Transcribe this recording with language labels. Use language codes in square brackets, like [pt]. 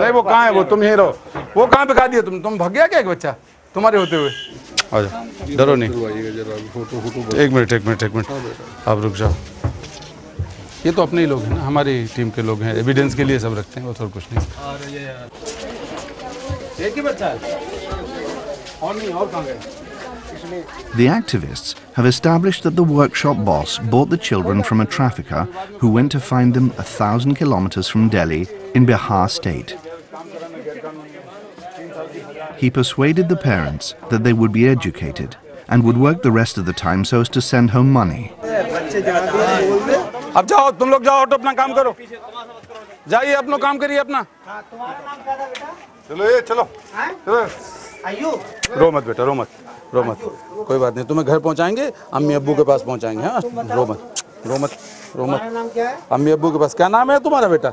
[hi] नहीं वो कहाँ है वो तुम ही रहो वो कहाँ पे खा दिया तुम भाग गया क्या एक बच्चा तुम्हारे होते हुए आ जाओ डरो नहीं एक मिनट आप रुक जाओ ये तो अपने ही लोग हैं ना हमारी टीम के लोग हैं एविडेंस के लिए सब रखते हैं वो थोड़ा कुछ नहीं [en] The activists have established that the workshop boss bought the children from a trafficker who went to find them 1,000 kilometers from Delhi in Bihar state. He persuaded the parents that they would be educated and would work the rest of the time so as to send home money. [hi] अब जाओ तुम लोग जाओ तो अपना काम करो जाइए अपना काम करिए अपना चलो ये चलो रो मत बेटा रो मत रो मत कोई बात नहीं तुम्हें घर पहुंचाएंगे अम्मी अब्बू के पास पहुंचाएंगे हाँ रो मत रो मत रो मत अम्मी अब्बू के पास क्या नाम है तुम्हारा बेटा